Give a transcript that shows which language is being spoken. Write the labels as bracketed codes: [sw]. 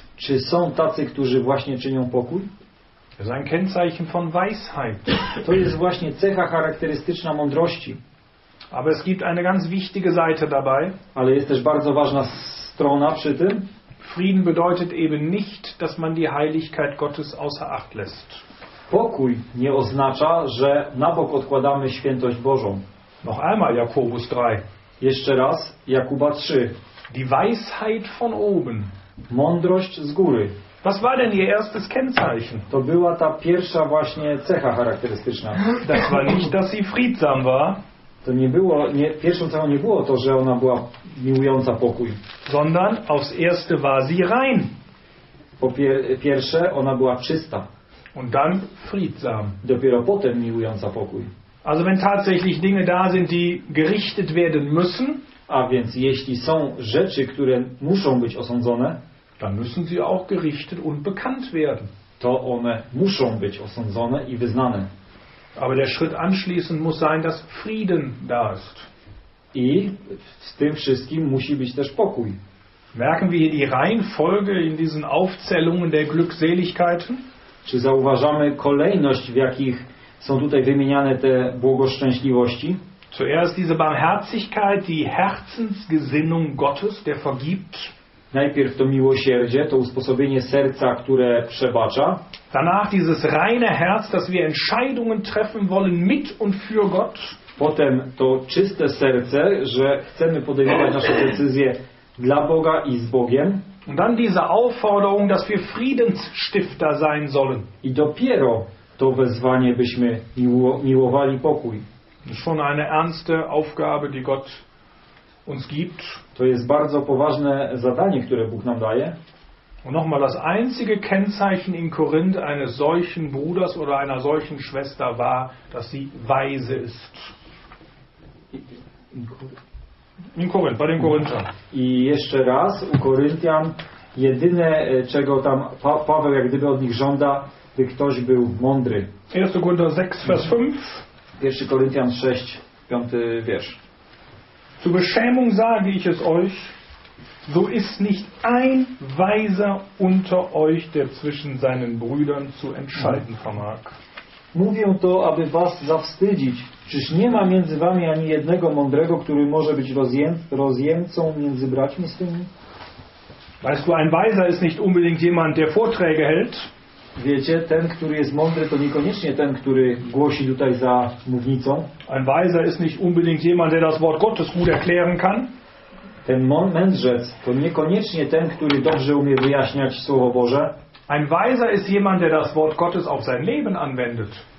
[pl] Czy są tacy, którzy właśnie czynią pokój? [de] Das ist ein Kennzeichen von Weisheit. [pl] To jest właśnie cecha charakterystyczna mądrości. [de] Aber es gibt eine ganz wichtige Seite dabei. [pl] Ale jest też bardzo ważna strona przy tym. [de] Frieden bedeutet eben nicht, dass man die Heiligkeit Gottes außer Acht lässt. [pl] Pokój nie oznacza, że na bok odkładamy świętość Bożą. [de] Noch einmal Jakobus 3. [pl] Jeszcze raz Jakuba 3. [de] Die Weisheit von oben. [pl] Mądrość z góry. [de] Was war denn ihr erstes Kennzeichen? [pl] To była ta pierwsza właśnie cecha charakterystyczna. [de] Das war nicht, dass sie friedsam war. [pl] To nie było, nie, pierwszą cechą nie było to, że ona była miłująca pokój. [de] Sondern aufs erste war sie rein. [pl] Po pierwsze ona była czysta. [de] Und dann friedsam. [pl] Dopiero potem miłująca pokój. [de] Also wenn tatsächlich Dinge da sind, die gerichtet werden müssen, [pl] a więc jeśli są rzeczy, które muszą być osądzone, [de] dann müssen sie auch gerichtet und bekannt werden. [pl] To one muszą być osądzone i wyznane. [de] Aber der Schritt anschließend muss sein, dass Frieden da ist. [pl] I z tym wszystkim musi być też pokój. [de] Merken wir hier die Reihenfolge in diesen Aufzählungen der Glückseligkeiten? [pl] Czy zauważamy kolejność, w jakich są tutaj wymieniane te błogoszczęśliwości? [de] Zuerst diese Barmherzigkeit, die Herzensgesinnung Gottes, der vergibt. [pl] Najpierw to miłosierdzie, to usposobienie serca, które przebacza. [de] Danach dieses reine Herz, dass wir Entscheidungen treffen wollen mit und für Gott. [pl] Potem to czyste serce, że chcemy podejmować nasze decyzje dla Boga i z Bogiem. [de] Und dann diese Aufforderung, dass wir Friedensstifter sein sollen. [pl] I dopiero to wezwanie, byśmy miłowali pokój. [de] Schon eine ernste Aufgabe, die Gott uns gibt. [pl] To jest bardzo poważne zadanie, które Bóg nam daje. [de] Und nochmal, das einzige Kennzeichen in Korinth eines solchen Bruders oder einer solchen Schwester war, dass sie weise ist. In Korinth, bei den Korinthern. [pl] I jeszcze raz, u Koryntian, jedyne, czego tam Paweł jak gdyby od nich żąda, by ktoś był mądry. [de] 1 Korinther 6, vers 5. [pl] 1 Koryntian 6, 5 wiersz. [de] Zur Beschämung sage ich es euch, so ist nicht ein Weiser unter euch, der zwischen seinen Brüdern zu entscheiden vermag. [pl] Mówię to, aby was zawstydzić. Czyż nie ma między wami ani jednego mądrego, który może być rozjemcą między braćmi swymi? [de] Weißt du, ein Weiser ist nicht unbedingt jemand, der Vorträge hält. [pl] Wiecie, ten, który jest mądry, to niekoniecznie ten, który głosi tutaj za mównicą. [de] Ein Weiser ist nicht unbedingt jemand, der das Wort Gottes gut erklären kann. [pl] Ten mędrzec to niekoniecznie ten, który dobrze umie wyjaśniać Słowo Boże. [de] Ein Weiser ist jemand, der das Wort Gottes auf sein Leben anwendet.